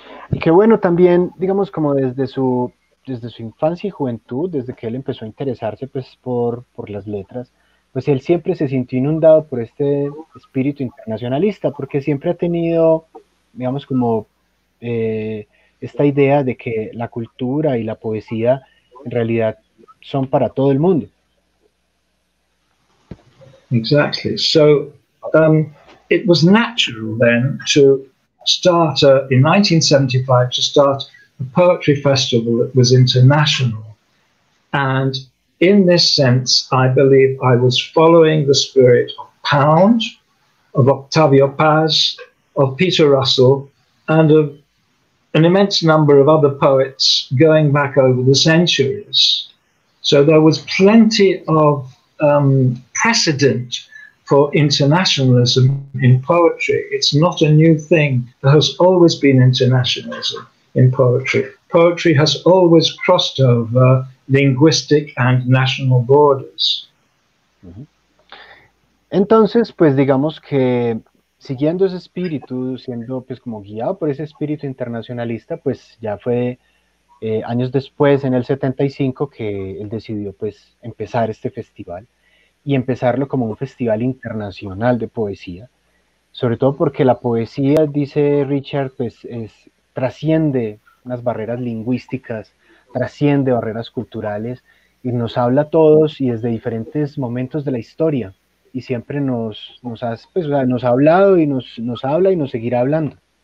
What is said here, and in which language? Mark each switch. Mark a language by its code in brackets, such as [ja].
[es] Y que bueno, también, digamos, como desde su infancia y juventud, desde que él empezó a interesarse, pues, por las letras, pues él siempre se sintió inundado por este espíritu internacionalista, porque siempre ha tenido, digamos, como esta idea de que la cultura y la poesía en realidad son para todo el mundo. [en] Exactly. So, it was natural then to start in 1975 to start a poetry festival that was international. And in this sense, I believe I was following the spirit of Pound, of Octavio Paz, of Peter Russell, and of an immense number of other poets going back over the centuries. So there was plenty of precedent for internationalism in poetry. It's not a new thing. There has always been internationalism in poetry. Poetry has always crossed over linguistic and national borders. [es] Entonces, pues digamos que siguiendo ese espíritu, siendo pues como guiado por ese espíritu internacionalista, pues ya fue años después, en el 75, que él decidió pues empezar este festival. Y empezarlo como un festival internacional de poesía, sobre todo porque la poesía, dice Richard, pues trasciende unas barreras lingüísticas, trasciende barreras culturales, y nos habla a todos y desde diferentes momentos de la historia, y siempre nos ha hablado y nos habla y nos seguirá hablando.